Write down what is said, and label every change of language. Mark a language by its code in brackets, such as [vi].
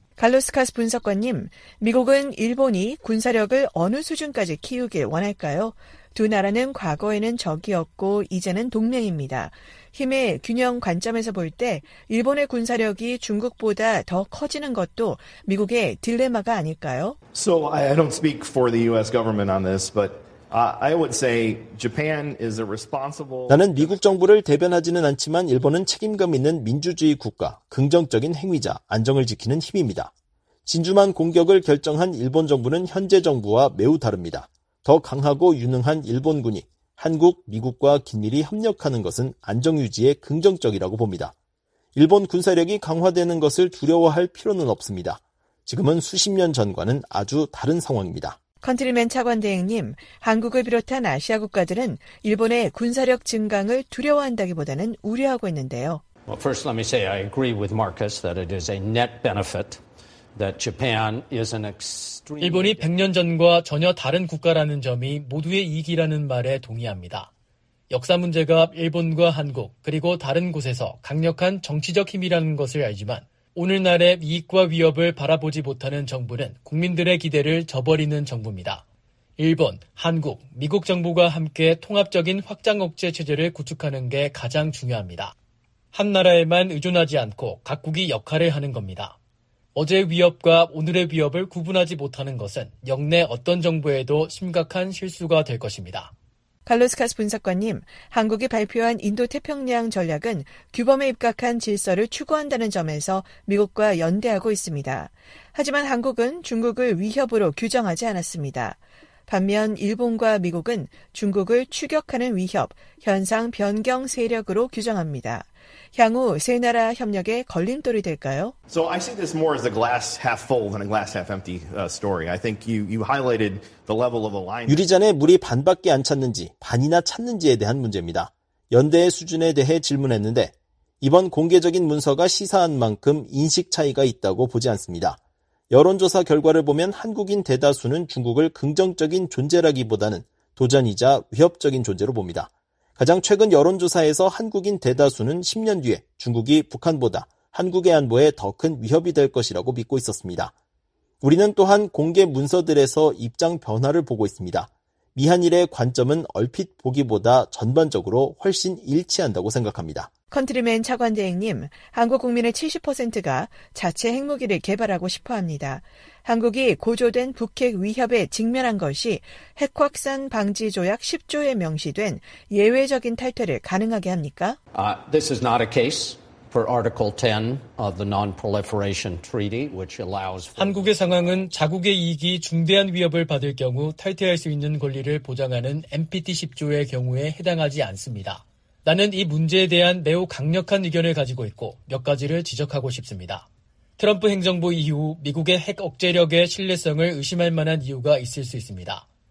[ko] 갈로스카스 분석관님, 미국은 일본이 군사력을 어느 수준까지 키우길 원할까요? 두 나라는 과거에는 적이었고 이제는 동맹입니다. 힘의 균형 관점에서 볼 때 일본의 군사력이 중국보다 더 커지는 것도 미국의 딜레마가 아닐까요? [en] So I don't speak for the U.S. government on this, but I would say Japan is a responsible. [ko] 나는 미국 정부를 대변하지는 않지만 일본은 책임감 있는 민주주의 국가, 긍정적인 행위자, 안정을 지키는 힘입니다. 진주만 공격을 결정한 일본 정부는 현재 정부와 매우 다릅니다. 더 강하고 유능한 일본군이 한국, 미국과 긴밀히 협력하는 것은 안정유지에 긍정적이라고 봅니다. 일본 군사력이 강화되는 것을 두려워할 필요는 없습니다. 지금은 수십 년 전과는 아주 다른 상황입니다. 컨트리맨 차관 대행님, 한국을 비롯한 아시아 국가들은 일본의 군사력 증강을 두려워한다기보다는 우려하고 있는데요. [en] Well, first let me say I agree with Marcus that it is a net benefit. That Japan is an extreme. [ko] 일본이 100년 전과 전혀 다른 국가라는 점이 모두의 이익이라는 말에 동의합니다. 역사 문제가 일본과 한국 그리고 다른 곳에서 강력한 정치적 힘이라는 것을 알지만 오늘날의 이익과 위협을 바라보지 못하는 정부는 국민들의 기대를 저버리는 정부입니다. 일본, 한국, 미국 정부가 함께 통합적인 확장 억제 체제를 구축하는 게 가장 중요합니다. 한 나라에만 의존하지 않고 각국이 역할을 하는 겁니다. 어제의 위협과 오늘의 위협을 구분하지 못하는 것은 역내 어떤 정부에도 심각한 실수가 될 것입니다. 갈로스카스 분석관님, 한국이 발표한 인도태평양 전략은 규범에 입각한 질서를 추구한다는 점에서 미국과 연대하고 있습니다. 하지만 한국은 중국을 위협으로 규정하지 않았습니다. 반면 일본과 미국은 중국을 추격하는 위협, 현상 변경 세력으로 규정합니다. 향후 세 나라 협력의 걸림돌이 될까요? [en] So I see this more as a glass half full than a glass half empty story. I think you highlighted the level of alignment. [ko] 유리잔에 물이 반밖에 안 찼는지 반이나 찼는지에 대한 문제입니다. 연대의 수준에 대해 질문했는데 이번 공개적인 문서가 시사한 만큼 인식 차이가 있다고 보지 않습니다. 여론조사 결과를 보면 한국인 대다수는 중국을 긍정적인 존재라기보다는 도전이자 위협적인 존재로 봅니다. 가장 최근 여론조사에서 한국인 대다수는 10년 뒤에 중국이 북한보다 한국의 안보에 더 큰 위협이 될 것이라고 믿고 있었습니다. 우리는 또한 공개 문서들에서 입장 변화를 보고 있습니다. 미한일의 관점은 얼핏 보기보다 전반적으로 훨씬 일치한다고 생각합니다. 컨트리맨 차관 대행님, 한국 국민의 70%가 자체 핵무기를 개발하고 싶어합니다. 한국이 고조된 북핵 위협에 직면한 것이 핵 확산 방지 조약 10조에 명시된 예외적인 탈퇴를 가능하게 합니까? [en] This is not a case for Article 10 of the Non-Proliferation Treaty, which allows. [ko] 한국의 상황은 자국의 이익이 중대한 위협을 받을 경우 탈퇴할 수 있는 권리를 보장하는 NPT 10조의 경우에 해당하지 않습니다. 나는 이 문제에 대한 매우 강력한 의견을 가지고 있고 몇 가지를 지적하고 싶습니다. 트럼프 행정부 이후 미국의 핵 억제력의 신뢰성을 의심할 만한 이유가 있을 수 있습니다.